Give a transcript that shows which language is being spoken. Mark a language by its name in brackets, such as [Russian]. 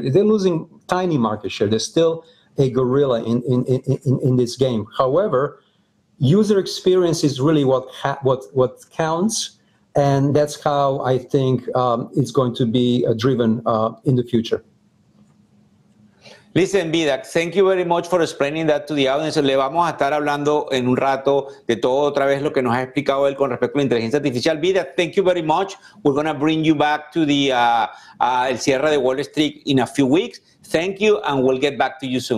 [English] They're losing tiny market share. They're still a gorilla in this game. However, user experience is really what counts, and that's how I think it's going to be driven in the future. Listen, Vidak, thank you very much for explaining that to the audience. [Spanish] Le vamos a estar hablando en un rato de todo otra vez lo que nos ha explicado él con respecto a la inteligencia artificial. [English] Vidak, thank you very much. We're going to bring you back to the [Spanish] el cierre de Wall Street [English] in a few weeks. Thank you, and we'll get back to you soon.